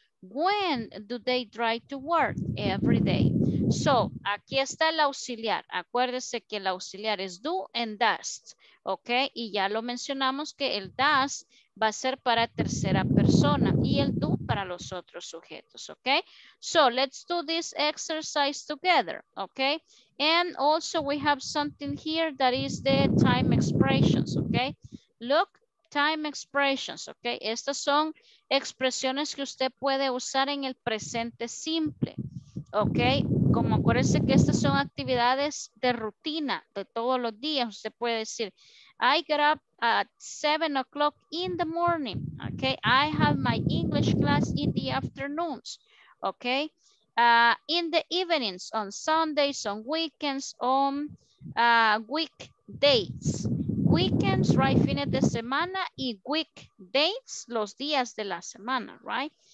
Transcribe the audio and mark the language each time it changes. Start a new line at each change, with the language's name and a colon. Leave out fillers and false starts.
English: When do they drive to work? Every day.
Spanish: So, aquí está el auxiliar. Acuérdese que el auxiliar es do and does. Ok, y ya lo mencionamos que el does va a ser para tercera persona y el do para los otros sujetos, ok.
English: So, let's do this exercise together, ok. And also we have something here that is the time expressions, ok. Look, time expressions, ok.
Spanish: Estas son expresiones que usted puede usar en el presente simple, ok. Como acuérdense que estas son actividades de rutina de todos los días. Usted puede decir,
English: I get up at 7 o'clock in the morning. Okay, I have my English class in the afternoons. Okay, in the evenings, on Sundays, on weekends, on weekdays.
Spanish: Weekends, right, fines de semana, y weekdays, los días de la semana, right?